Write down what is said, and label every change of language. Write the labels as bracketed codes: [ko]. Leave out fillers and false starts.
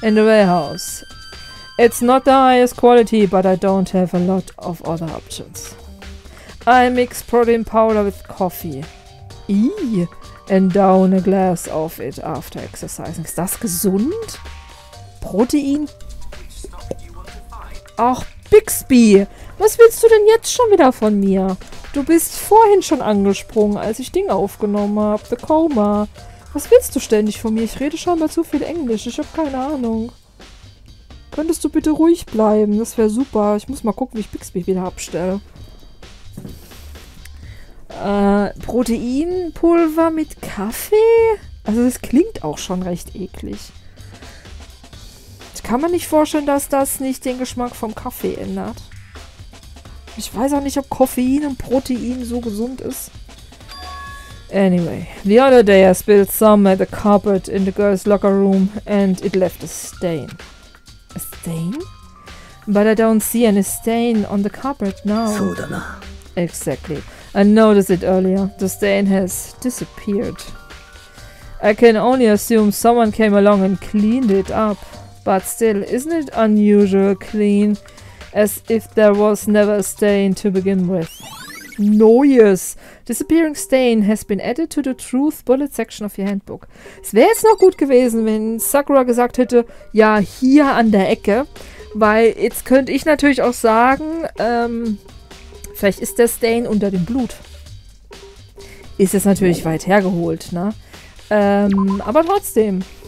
[en] In the warehouse. It's not the highest quality, but I don't have a lot of other options. I mix protein powder with coffee. Eee! And down a glass of it after exercising. [de] Ist das gesund? Protein? Ach, Bixby, was willst du denn jetzt schon wieder von mir? Du bist vorhin schon angesprungen, als ich Ding aufgenommen habe, The Coma. Was willst du ständig von mir? Ich rede scheinbar zu viel Englisch. Ich habe keine Ahnung. Könntest du bitte ruhig bleiben? Das wäre super. Ich muss mal gucken, wie ich Bixby wieder abstelle. Proteinpulver mit Kaffee? Also das klingt auch schon recht eklig. Ich kann mir nicht vorstellen, dass das nicht den Geschmack vom Kaffee ändert. Ich weiß auch nicht, ob Koffein und Protein so gesund ist. [en] Anyway, the other day I spilled some at the carpet in the girls' locker room and it left a stain. A stain? But I don't see any stain on the carpet now. So, Dana. Exactly. I noticed it earlier. The stain has disappeared. I can only assume someone came along and cleaned it up. But still, isn't it unusual clean? As if there was never a stain to begin with. No, yes. Disappearing stain has been added to the truth bullet section of your handbook. [de] Es wäre jetzt noch gut gewesen, wenn Sakura gesagt hätte, ja, hier an der Ecke. Weil jetzt könnte ich natürlich auch sagen, vielleicht ist der Stain unter dem Blut. Ist jetzt natürlich weit hergeholt, ne? Aber trotzdem.